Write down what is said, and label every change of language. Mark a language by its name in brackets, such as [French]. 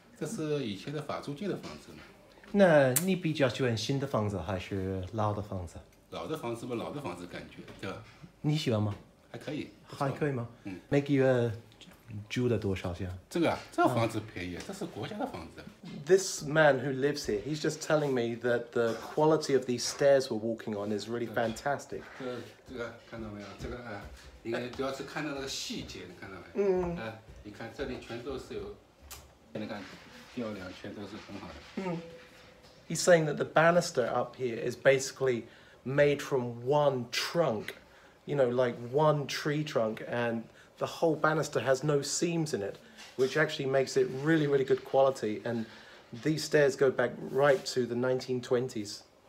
[Chinese] 这是以前的法租界的房子嘛。那你比较喜欢新的房子还是老的房子？老的房子嘛，老的房子感觉，对吧？你喜欢吗？还可以。还可以吗？嗯。每个月租的多少钱？这个啊，这个房子便宜，这是国家的房子。 [English] This man who lives here, he's just telling me that the quality of these stairs we're walking on is really fantastic. [Chinese] 这个看到没有？这个啊，应该主要是看到那个细节，你看到没有？嗯。啊，你看这里全都是有，你看，吊梁全都是很好的。嗯。 [English] He's saying that the banister up here is basically made from one trunk, you know, like one tree trunk, and the whole banister has no seams in it, which actually makes it really, really good quality. And these stairs go back right to the 1920s.